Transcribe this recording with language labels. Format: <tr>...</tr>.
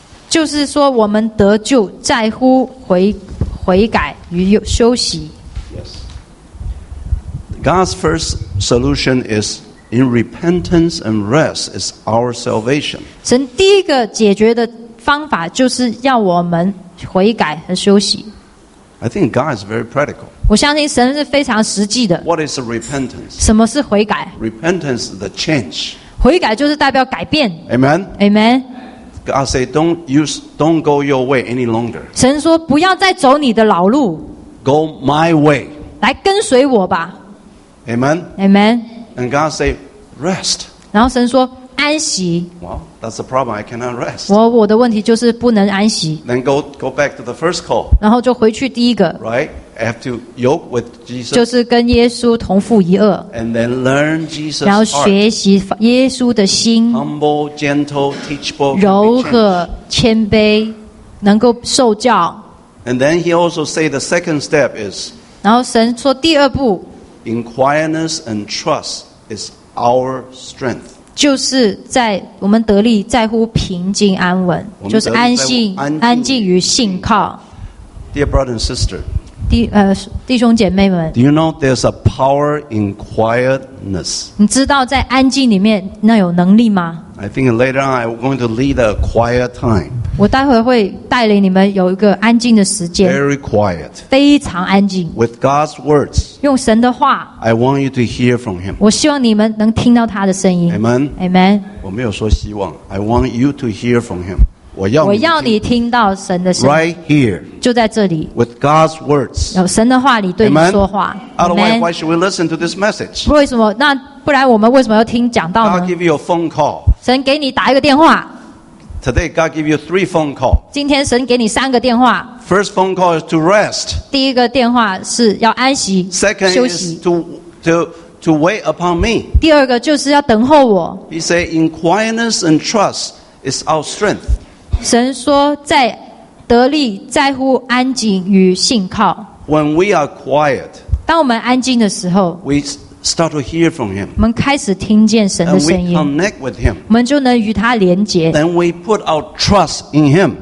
<zh>就是说，我们得救在乎悔改与休息。</zh> <en>Yes. God's first solution is in repentance and rest is our salvation.</en> <zh>神第一个解决的方法就是要我们。悔改和休息。</zh> <en>I think God is very practical.</en> <zh>我相信神是非常实际的。</zh> <en>What is repentance?</en> <zh>什么是悔改</zh> <en>？Repentance is the change.</en> <zh>悔改就是代表改变。</zh> <en>Amen. Amen. God say, don't go your way any longer.</en> <zh>神说不要再走你的老路。</zh> <en>Go my way.</en> <zh>来跟随我吧。</zh> <en>Amen. Amen. And God say, rest.</en> <zh>然后神说安息。</zh> <en>Wow. That's the problem. I cannot rest.</en> <zh>我的问题就是不能安息。</zh> <en>Then go back to the first call.</en> <zh>然后就回去第一个。</zh> <en>Right? I have to yoke with Jesus.</en> <zh>就是跟耶稣同负一轭。</zh> <en>And then learn Jesus' heart.</en> <zh>然后学习耶稣的心。</zh> <en>Humble, gentle, teachable.</en> <zh>柔和谦卑，能够受教。</zh> <en>And then he also say the second step is.</en> <zh>然后神说第二步。</zh> <en>In quietness and trust is our strength.</en> <zh>就是在我们得力在乎平静安稳，就是安心安静与信靠。</zh> <en>Dear brother and sister,</en> <zh>弟兄姐妹们</zh> <en>，Do you know there's a power in quietness?</en> <zh>你知道在安静里面那有能力吗</zh> <en>？I think later on I'm going to lead a quiet time.</en> <zh>我待会会带领你们有一个安静的时间</zh> <en>，very quiet，</en> <zh>非常安静。</zh> <en>With God's words.</en> <zh>用神的话</zh> <en>，I want you to hear from Him.</en> <zh>我希望你们能听到他的声音。</zh> <en>Amen. Amen.</en> <zh>我没有说希望 ，</zh> <en>I want you to hear from Him.</en> <zh>我要你听到神的声音。</zh> <en>Right here.</en> <zh>就在这里。</zh> <en>With God's words.</en> <zh>有神的话里对你说话。</zh> <en>Amen. Otherwise, why should we listen to this message?</en> <zh>为什么？那不然我们为什么要听讲道呢</zh> <en>？God give you a phone call.</en> <zh>神给你打一个电话。</zh> <en>Today, God give you three phone calls.</en> <zh>今天神给你三个电话。</zh> <en>First phone call is to rest.</en> <zh>第一个电话是要安息。</zh> <en>Second</en> <zh>休息</zh> <en>is to wait upon me.</en> <zh>第二个就是要等候我。</zh> <en>He said, "In quietness and trust is our strength."</en> <zh>神说，在得力在乎安静与信靠。</zh> <en>When we are quiet,</en> <zh>当我们安静的时候</zh> <en>，we start to hear from him.</en> <zh>我们开始听见神的声音。</zh> <en>And we connect with him.</en> <zh>我们就能与他连结。</zh> <en>Then we put our trust in him.</en>